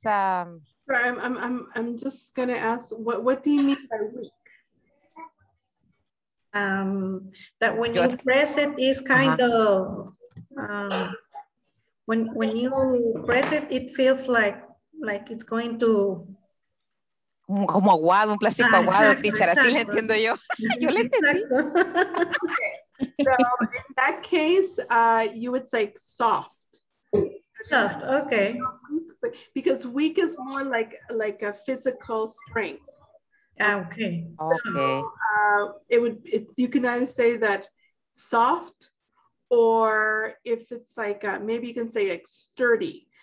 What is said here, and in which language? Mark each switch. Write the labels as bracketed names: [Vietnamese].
[English] I'm just gonna ask, what do you mean by weak? That when you press it is kind of when you press it, it feels like it's going to [Spanish] como aguado, un plástico aguado, teacher, así le entiendo yo. Yo le entendí. [English] So in that case, you would say soft. Soft, okay. Because weak is more like a physical strength. Okay. Okay. So, you can either say that soft, or if it's like maybe you can say like sturdy.